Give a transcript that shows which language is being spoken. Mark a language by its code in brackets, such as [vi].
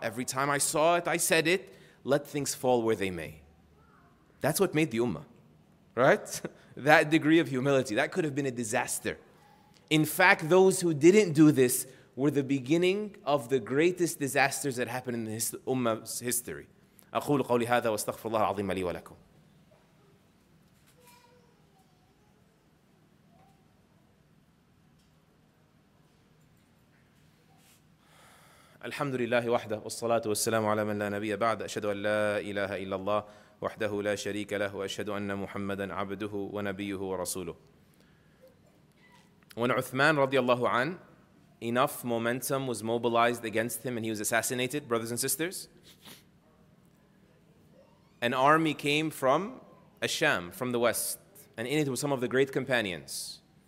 [en] Every time I saw it, I said it. Let things fall where they may. That's what made the ummah, right? That degree of humility. That could have been a disaster. In fact, those who didn't do this were the beginning of the greatest disasters that happened in the ummah's history. [ar] أقول قولي هذا واستغفر الله العظيم لي ولكم. الحمد لله وحده والصلاة والسلام على من لا نبي بعد أشهد أن لا إله إلا الله وحده لا شريك له وأشهد أن محمدا عبده ونبيه ورسوله. [en] When Uthman [ar] رضي الله عنه, [en] enough momentum was mobilized against him and he was assassinated, brothers and sisters, an army came from Asham, from the west, and in it were some of the great companions.